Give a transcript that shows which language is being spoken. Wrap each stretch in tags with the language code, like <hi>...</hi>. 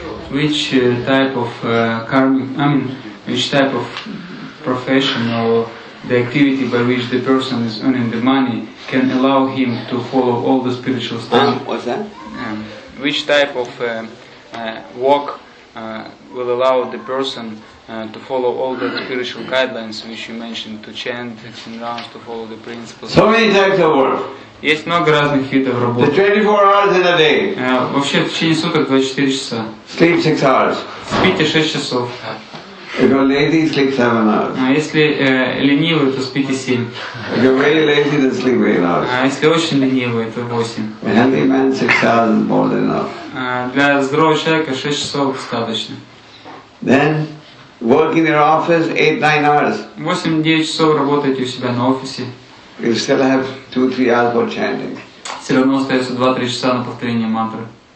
<en>Which type of karma, I mean, which type of profession or the activity by which the person is earning the money can allow him to follow all the spiritual standards? What's that? Which type of work will allow the person to follow all the spiritual guidelines which you mentioned, to chant and rounds, to follow the principles? So many types of work.</en> <ru>Есть много разных видов работы.</ru> <en>The 24 hours in a day.</en> <ru>Вообще в течение суток 24 часа.</ru> <en>Sleep 6 hours.</en> <ru>Спите 6 часов.</ru> <en>If you're lazy, sleep 7 hours.</en> <ru>А если ленивый, то спите 7.</ru> <en>If you're very lazy, then sleep 8 hours.</en> <ru>А если очень ленивый, то 8.</ru> <en>A healthy man 6 hours is more than enough.</en> <ru>Для здорового человека 6 часов достаточно.</ru> <en>Then work in your office 8-9 hours.</en> <ru>8-9 часов работаете у себя на офисе.</ru> <en>You still have 2-3 hours for chanting.</en> <ru>Все равно остается 2-3 часа на повторение мантры.</ru>